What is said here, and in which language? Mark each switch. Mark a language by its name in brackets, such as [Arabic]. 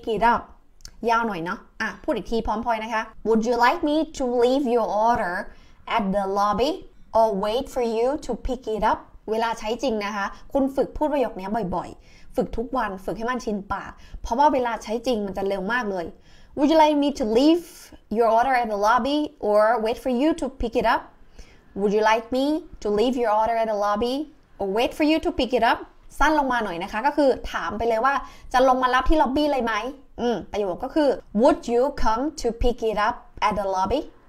[Thai] up ยาวหน่อยเนาะพูดอีกทีพร้อมพลอยนะคะ [English] Would you like me to leave your order at the lobby or wait for you to pick it up [Thai] เวลาใช้จริงนะคะคุณฝึกพูดประโยคนี้บ่อยๆฝึกทุกวันฝึกให้มันชินปากเพราะว่าเวลาใช้จริงมันจะเร็วมากเลย [English] Would you like me to leave your order at the lobby or wait for you to pick it up? Would you like me to leave your order at the lobby or wait for you to pick it up? [Thai] สั้นลงมาหน่อยนะคะก็คือถามไปเลยว่าจะลงมารับที่ล็อบบี้เลยไหมประโยคก็คือ [English] Would you come to pick it up at the lobby?